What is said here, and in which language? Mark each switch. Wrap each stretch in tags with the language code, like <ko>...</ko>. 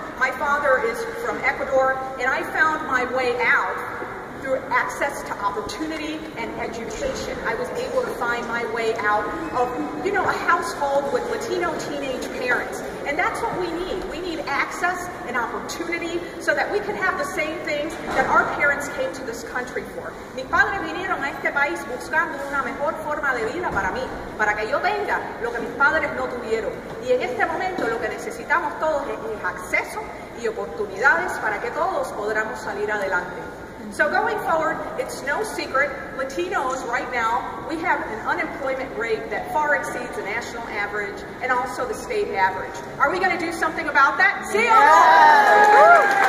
<en>My father is from Ecuador. And I found my way out through access to opportunity and education. I was able to find my way out of, you know, a household with Latino teenage parents. And that's what we need. We need access and opportunity so that we can have the same things that our parents came to this country for.</en> <es>Mis padres vinieron a este país buscando una mejor forma de vida para mí, para que yo tenga lo que mis padres no tuvieron. Y en este momento lo que necesitamos todos es acceso y oportunidades para que todos podamos salir adelante.</es> <en>So going forward, it's no secret, Latinos right now, we have an unemployment rate that far exceeds the national average and also the state average. Are we going to do something about that? See you all!</en>